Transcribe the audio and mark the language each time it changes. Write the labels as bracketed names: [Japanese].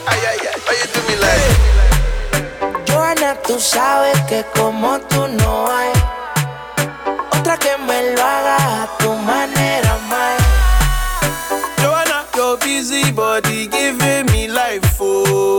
[English] Ay ay ay, why you do me like that? [Spanish] Joana, tú sabes que como tú no hay otra que me lo haga a tu manera, man. [English] Joana, your busy body giving me life, oh.